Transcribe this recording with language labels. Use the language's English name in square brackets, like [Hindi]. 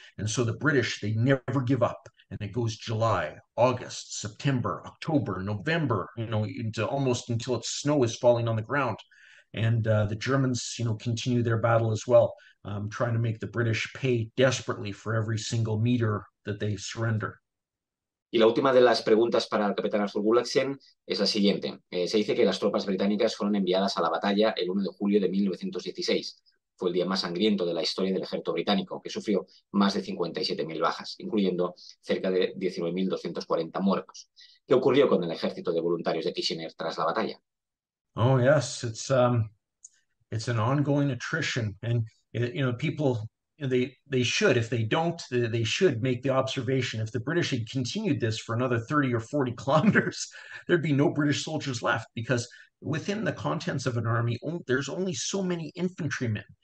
[English] And so the British, they never give up, and it goes July, August, September, October, November, you know, into almost until its snow is falling on the ground. And the Germans, you know, continue their battle as well, trying to make the British pay desperately for every single meter that they surrender. [Spanish] Y la última de las preguntas para el capitán Arthur Gullaxen es la siguiente. Se dice que las tropas británicas fueron enviadas a la batalla el 1 de julio de 1916. Fue el día más sangriento de la historia del ejército británico, que sufrió más de 57.000 bajas, incluyendo cerca de 19.240 muertos. ¿Qué ocurrió con el ejército de voluntarios de Kitchener tras la batalla? [English] Oh, yes, it's an ongoing attrition. And, you know, people, they should, if they don't, they should make the observation, if the British had continued this for another 30 or 40 kilometers, there'd be no British soldiers left, because within the contents of an army, there's only so many infantrymen.